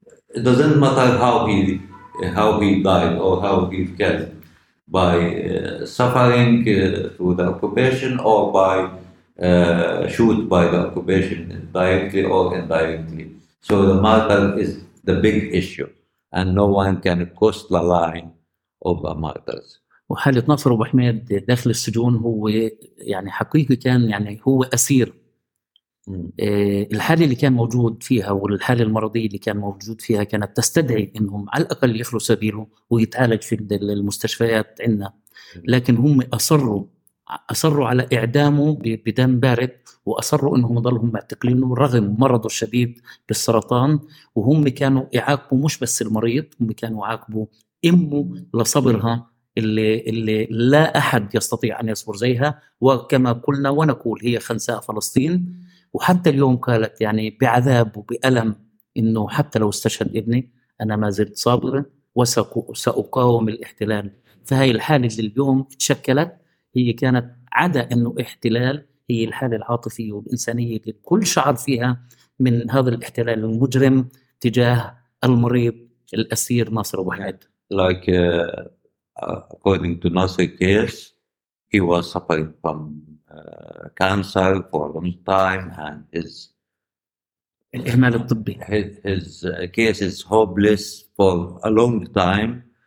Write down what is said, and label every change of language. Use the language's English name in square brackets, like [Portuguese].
[English] It doesn't matter how he died or how he killed, by suffering through the occupation or by shoot by the occupation directly or indirectly. So the martyr is the big issue, and no one can cross the line of the martyrs. [Arabic] وحالة نصر أبو حميد داخل السجون هو يعني حقيقة كان يعني هو أسير. الحالة اللي كان موجود فيها والحالة المرضية اللي كان موجود فيها كانت تستدعي إنهم على الأقل يخلوا سبيله ويتعالج في المستشفيات عنا، لكن هم أصروا على إعدامه بدم بارد، وأصروا إنهم يضلهم معتقلينه رغم مرضه الشديد بالسرطان. وهم كانوا يعاقبوا مش بس المريض، هم كانوا يعاقبوا أمه لصبرها اللي لا أحد يستطيع أن يصبر زيها، وكما قلنا ونقول هي خنساء فلسطين. وحتى اليوم قالت يعني بعذاب وبألم إنه حتى لو استشهد ابني أنا ما زلت صابرة وسأقاوم الاحتلال. فهي الحالة اللي اليوم تشكلت هي كانت عدا إنه احتلال، هي الحالة العاطفية والإنسانية اللي كل شعر فيها من هذا الاحتلال المجرم تجاه المريض الأسير ناصر أبو حميد. [English] Like according to Nasser case, he was suffering from cancer for a long time, and his case is hopeless for a long time,